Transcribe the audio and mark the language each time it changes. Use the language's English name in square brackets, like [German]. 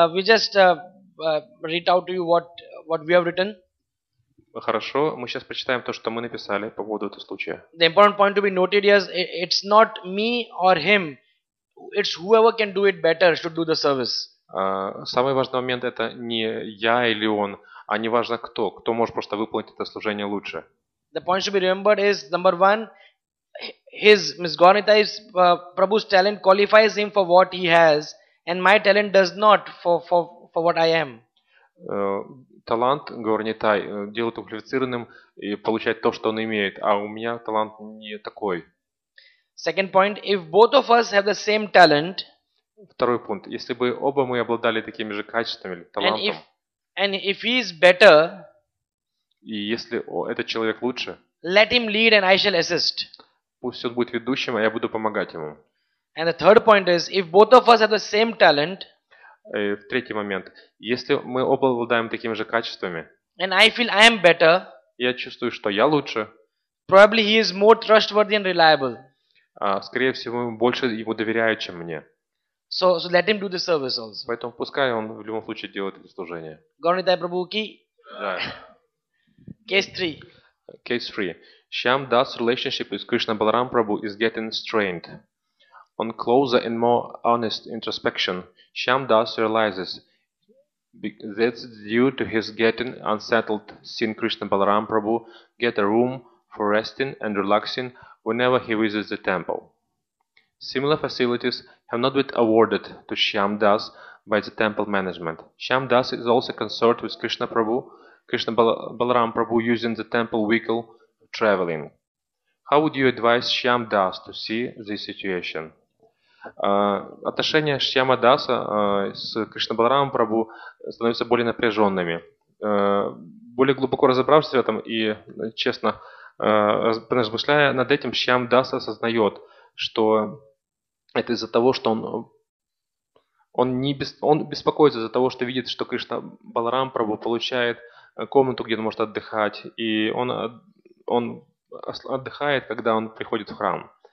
[English] We just read out to you what we have written. [Russian] Хорошо, мы сейчас прочитаем то, что мы написали по поводу этого случая. [English] The important point to be noted is it's not me or him. It's whoever can do it better should do the service. [Russian] Самый важный момент это не я или он, а не важно кто. Кто может просто выполнить это служение лучше. [English] The point to be remembered is number one, his misgonitized Prabhu's talent qualifies him for what he has. And my talent does not for what I am. [Russian] Талант Горни Тай делает квалифицированным и получает то, что он имеет, а у меня талант не такой. [English] Second point, if both of us have the same talent. [Russian] Второй пункт, если бы оба мы обладали такими же качествами или талантом. [English] And if he is better. [Russian] И если этот человек лучше. [English] Let him lead and I shall assist. [Russian] Пусть он будет ведущим, а я буду помогать ему. [English] And the third point is, if both of us have the same talent, [Russian] в третий момент, если мы оба обладаем такими же качествами, [English] and I feel I am better, [Russian] я чувствую, что я лучше, [English] probably he is more trustworthy and reliable. [Russian] скорее всего, больше ему доверяют, чем мне. [English] So let him do the service also. [Russian] Поэтому пускай он в любом случае делает это служение. Горнитай Прабху ки? Да. [English] Case 3. Case 3. Shyam Das relationship with Krishna Balaram Prabhu is getting strained. On closer and more honest introspection, Shyam Das realizes that's due to his getting unsettled, seeing Krishna Balaram Prabhu get a room for resting and relaxing whenever he visits the temple. Similar facilities have not been awarded to Shyam Das by the temple management. Shyam Das is also concerned with Krishna Prabhu, Krishna Balaram Prabhu using the temple vehicle for traveling. How would you advise Shyam Das to see this situation? [Russian] Отношения Шьяма Даса с Кришна Баларамом Прабху становятся более напряженными. Более глубоко разобравшись в этом и честно размышляя над этим, Шьям Дас осознает, что это из-за того, что он беспокоится из-за того, что видит, что Кришна Баларам Прабху получает комнату, где он может отдыхать, и он отдыхает, когда он приходит в храм.